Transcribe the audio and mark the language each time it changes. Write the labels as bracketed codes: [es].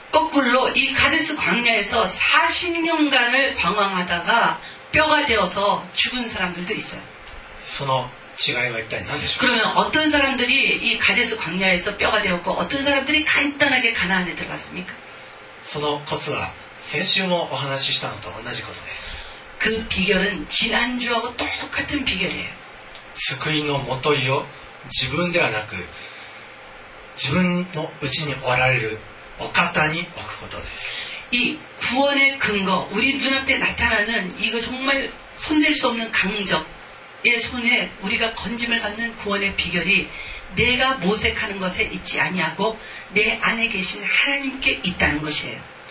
[ko] 거꾸로이カデス광야에서40년간을방황하다가뼈가되어서죽은사람들도있어요 [ja] その違いは一体何でしょう [ko] 그러면어떤사람들이이가데스광야에서뼈가되었고어떤사람들이간단하게가나안에들어갔습니까 [ja] そのコツは先週もお話ししたのと同じことです [ko] 그비결은지난주하고똑같은비결이에요 [ja] 救いのもといを自分ではなく自分の内におられるお方に置くことです [ko] 이구원의근거우리눈앞에나타나는이거정말손댈수없는강적예손에우리가건짐을받는구원의비결이내가모색하는것에있지아니하고내안에계신하나님께있다는것이에요